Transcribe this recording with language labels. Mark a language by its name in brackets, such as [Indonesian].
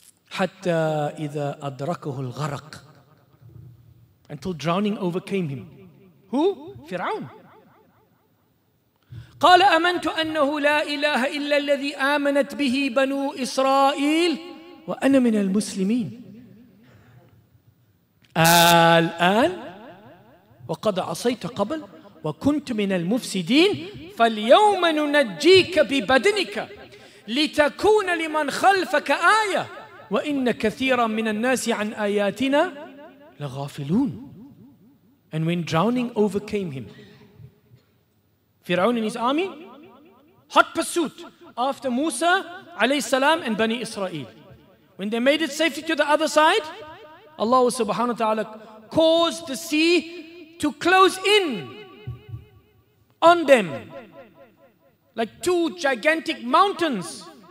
[Arabic] Hatta idha adrakahu al-gharq. [English] Until drowning overcame him. Who? Fir'aun. [Arabic] قال أمنت أنه لا إله إلا الذي آمنت به بنو إسرائيل وأنا من المسلمين. الآن وقد عصيت قبل وكنت من المفسدين فاليوم ننجيك ببدنك لتكون لمن خلفك آية وإن كثيرا من الناس عن آياتنا لغافلون. [English] And when drowning overcame him, Fir'aun and his army, hot pursuit after Musa alayhi salam and Bani Israel. When they made it safely to the other side, Allah subhanahu wa ta'ala caused the sea to close in on them like two gigantic mountains.